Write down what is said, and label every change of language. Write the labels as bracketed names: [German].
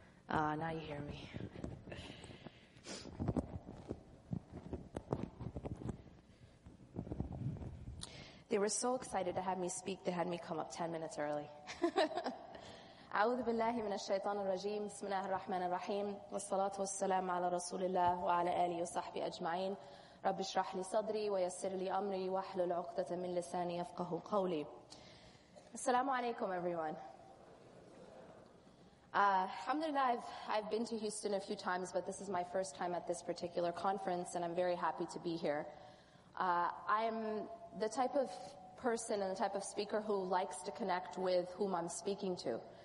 [English] Now you hear me. They were so excited to have me speak, they had me come up 10 minutes early. [Arabic] أعوذ بالله من الشيطان الرجيم بسم الله الرحمن الرحيم والصلاة والسلام على رسول الله وعلى آله وصحبه أجمعين رب اشرح لي صدري ويسر لي أمري واحلل عقدة من لساني يفقه قولي. السلام عليكم [English] everyone. Alhamdulillah, I've been to Houston a few times, but this is my first time at this particular conference, and I'm very happy to be here. I'm the type of person and the type of speaker who likes to connect with whom I'm speaking to.